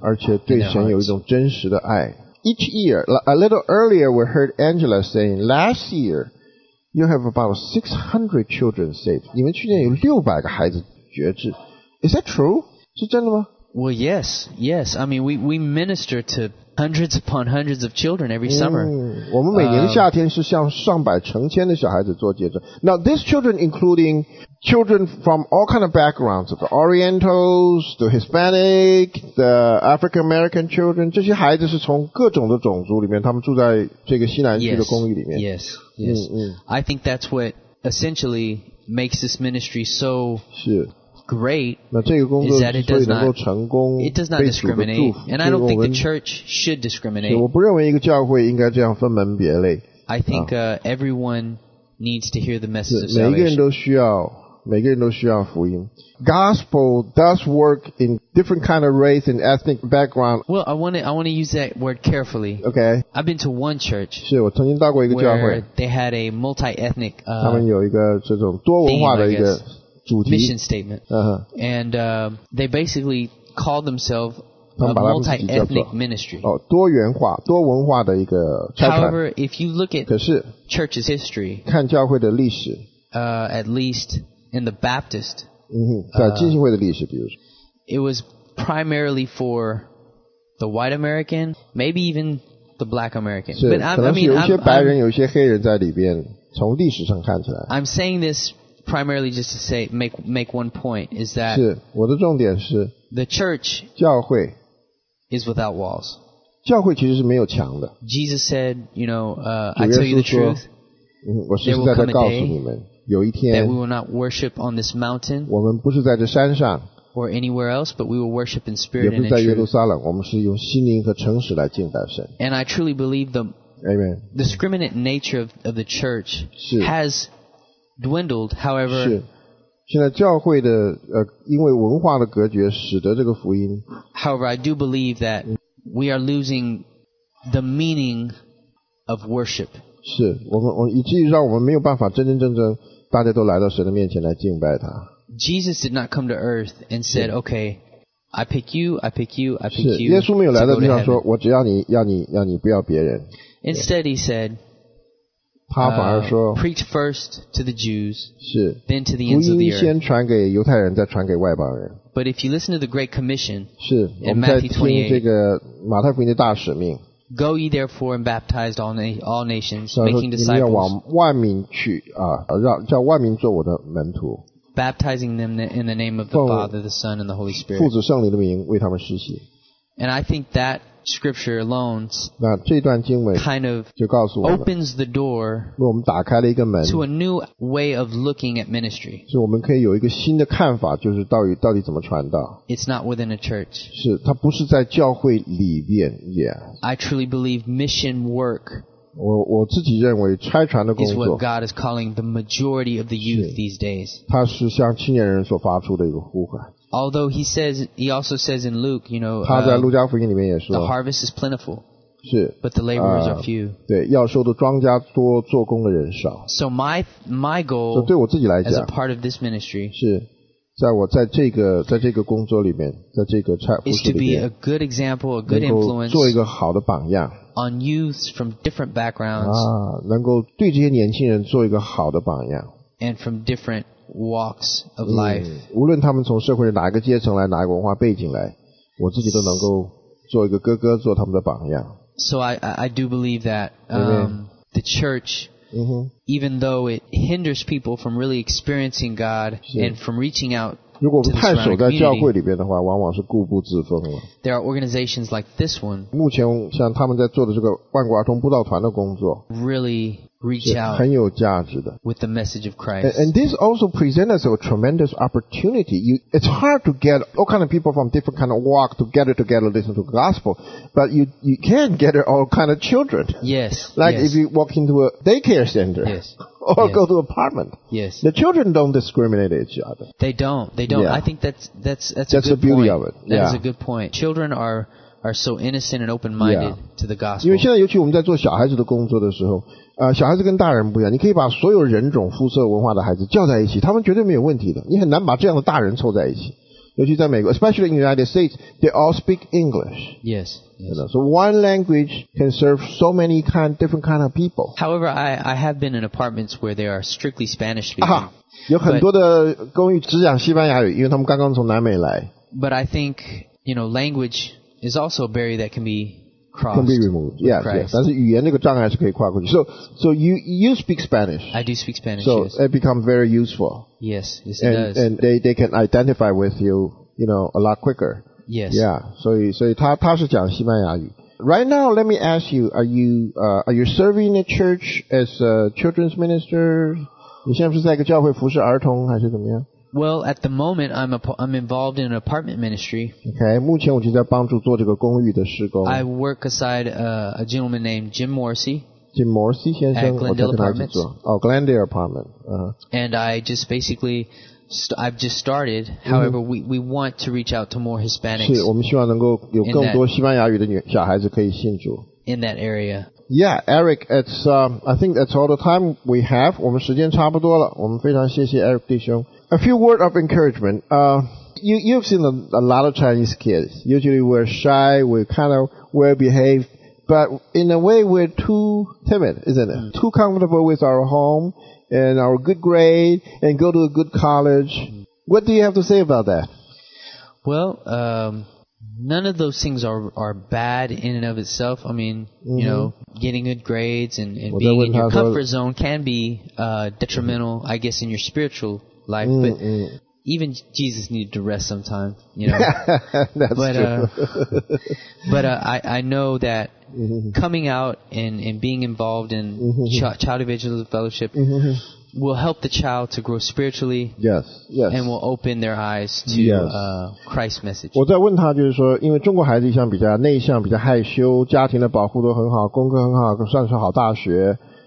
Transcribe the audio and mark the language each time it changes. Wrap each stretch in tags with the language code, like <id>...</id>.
<zh>而且对神有一种真实的爱</zh> <en>Each year, a little earlier, we heard Angela saying, last year,You have about 600 children saved.</en> <zh>你们去年有600个孩子觉知。</zh> <en>Is that true?</en> <zh>是真的吗?</zh> <en>Well, yes. Yes. I mean, we minister to hundreds upon hundreds of children every summer.</en> <zh>我们每年夏天是向上百成千的小孩子做见证。</zh> <en>Now, these children including children from all kind of backgrounds, the Orientals, the Hispanic, the African-American children,</en> <zh>这些孩子是从各种的种族里面他们住在这个西南区的公寓里面。</zh> <en>Yes. I think that's what essentially makes this ministry so great.</en> <zh>那这个工作所以能够成功</zh> <en>it does not discriminate. And I don't think the church should discriminate.</en> <zh>我不认为一个教会应该这样分门别类。</zh> <en>I think everyone needs to hear the message of salvation.</en> <zh>每个人都需要福音。</zh> <en>Gospel does work in different kind of race and ethnic background. Well, I want to use that word carefully. Okay. I've been to one church.</en> <zh>是我曾经到过一个教会。</zh> <en>Where they had a multi-ethnic.</en> <zh>他们有一个这种多文化的一个主题。</zh> <en>Mission statement. And they basically called themselves a multi-ethnic ministry.</en> <zh>哦，多元化、多文化的一个拆</zh> <en>派。However, if you look at church's history,</en> <zh>看教会的历史。</zh> <en>At least in the Baptist,</en> <zh>在浸信会的历史，比如说</zh> <en>，it was primarily for the white American, maybe even the black American.</en> <zh>是，可能是有一些白人，有一些黑人在里边。从历史上看起来</zh> <en>，I'm saying this primarily just to say make one point is that</en> <zh>是我的重点是</zh> <en>the church</en> <zh>教会</zh> <en>is without walls.</en> <zh>教会其实是没有墙的。</zh> <en>Jesus said, you know, I tell you the truth.</en> <zh>我实实在在告诉你们。有一天</zh> <en>that we will not worship on this mountain,</en> <zh>我们不是在这山上</zh> <en>or anywhere else, but we will worship in spirit</en> <zh>也不是在耶路撒冷我们是用心灵和诚实来敬拜神</zh> <en>and I truly believe the Amen. discriminant nature of the church</en> <zh>是</zh> <en>has dwindled, however</en> <zh>是现在教会的因为文化的隔绝使得这个福音</zh> <en>however I do believe that we are losing the meaning of worship</en> <zh>是我以至于让我们没有办法真真正正大家都来到神的面前来敬拜他。</zh> <en>Jesus did not come to earth and said, okay, I pick you, I pick you, I pick you.</en> <zh>是耶稣没有来到地上说，我只要你，要你，要你，不要别人。</zh> <en>Instead, he said.</en> <zh>他反而说。</zh> <en>Preach first to the Jews.</en> <zh>是。</zh> <en>Then to the ends of the earth.</en> <zh>福音先传给犹太人，再传给外邦人。</zh> <en>But if you listen to the Great Commission.</en> <zh>是。我们在听这个马太福音的大使命。</zh> <en>Go ye therefore and baptize all nations, making disciples.</en> <zh>你要往万民去啊，让叫万民做我的门徒。</zh> <en>Baptizing them in the name of the Father, the Son, and the Holy Spirit.</en> <zh>父子圣灵的名为他们施洗。</zh> <en>And I think that scripture alone,</en> <zh>那这段经文</zh> <en>kind of</en> <zh>就告诉我们</zh> <en>opens the door,</en> <zh>为我们打开了一个门</zh> <en>to a new way of looking at ministry.</en> <zh>是我们可以有一个新的看法，就是到底怎么传道。</zh> <en>It's not within a church.</en> <zh>是，它不是在教会里边。Yeah.</zh> <en>I truly believe mission work.</en> <zh>我自己认为差传的工作</zh> <en>is what God is calling the majority of the youth these days.</en> <zh>它是向青年人所发出的一个呼唤。</zh> <en>Although he also says in Luke, you know,</en> <zh>他在路加福音里面也说</zh> <en>the harvest is plentiful,</en> <zh>是,</zh> <en>but the laborers are few.</en> <zh>对，要收的庄稼多，做工的人少。</zh> <en>So my goal,</en> <zh>对我自己来讲</zh> <en>as a part of this ministry,</en> <zh>是在我在这个在这个工作里面，在这个差服事里面</zh> <en>is to be a good example, a good influence,</en> <zh>能够做一个好的榜样</zh> <en>on youth from different backgrounds,</en> <zh>能够对这些年轻人做一个好的榜样</zh> <en>and from different walks of life.</en> <zh>无论他们从社会的哪一个阶层来，哪一个文化背景来，我自己都能够做一个哥哥，做他们的榜样。</zh> <en>So I do believe that the church, even though it hinders people from really experiencing God and from reaching out to the surrounding community,</en> <zh>如果太守在教会里边的话，往往是固步自封了。</zh> <en>There are organizations like this one.</en> <zh>目前像他们在做的这个万国儿童布道团的工作</zh> <en>really. Reach out with the message of Christ. And this also presents us a tremendous opportunity. It's hard to get all kinds of people from different kinds of walks together, listen to the gospel. But you can get all kinds of children. Yes. Like yes. if you walk into a daycare center. Yes. Or yes. go to an apartment. Yes. The children don't discriminate each other. They don't. Yeah. I think that's a good point. That's the beauty point. Of it. That、 yeah. is a good point. Children are so innocent and open-minded、 yeah. to the gospel.</en> <zh>因为现在尤其我们在做小孩子的工作的时候，小孩子跟大人不一样，你可以把所有人种、肤色、文化的孩子叫在一起，他们绝对没有问题的。你很难把这样的大人凑在一起，尤其在美国 ，</zh> <en>especially in the United States, they all speak English. Yes. Yes. So one language can serve so many different kind of people. However, I have been in apartments where they are strictly Spanish speaking. 有很多的公寓只讲西班牙语，因为他们刚刚从南美来。 But I think, you know, language. Is also a barrier that can be crossed. Can be removed. Yeah, yeah. 但是语言那个障碍是可以跨过去。 So you speak Spanish. I do speak Spanish. So yes. it becomes very useful. Yes, it and, does. And they can identify with you, you know, a lot quicker. Yes.</en> <zh>Yeah. So 他是讲西班牙语。</zh> <en>Right now, let me ask you: Are you serving the church as a children's minister?</en> <zh>你现在是在一个教会服侍儿童还是怎么样？</zh> <en>Well, at the moment, I'm involved in an apartment ministry.</en> <zh>Okay, 目前我就在帮助做这个公寓的施工。</zh> <en>I work aside a gentleman named Jim Morrissey.</en> <zh>Jim Morrissey 先生，我在跟他去做。</zh> <en>Oh, Glendale Apartment. And I just basically, I've just started. However, we want to reach out to more Hispanics.</en> <zh>是，我们希望能够有更多西班牙语的小孩子可以信主。</zh> <en>In that area. Yeah, Eric, it's I think that's all the time we have.</en> <zh>我们时间差不多了。我们非常谢谢 Eric 弟兄。</zh> <en>A few words of encouragement. You've seen a lot of Chinese kids. Usually we're shy, we're kind of well behaved, but in a way we're too timid, isn't it? Too comfortable with our home and our good grade and go to a good college. What do you have to say about that? Well, none of those things are bad in and of itself. I mean, you know, getting good grades and being in your comfort zone can be detrimental, I guess, in your spiritual life, but even Jesus needed to rest sometime, you know. That's but, true. but I know that coming out and being involved in child evangelism fellowship will help the child to grow spiritually. Yes, yes. And will open their eyes to Christ's message.</en> <zh>我在问他就是说，因为中国孩子一向比较内向，比较害羞，家庭的保护都很好，功课很好，上上好大学。</zh>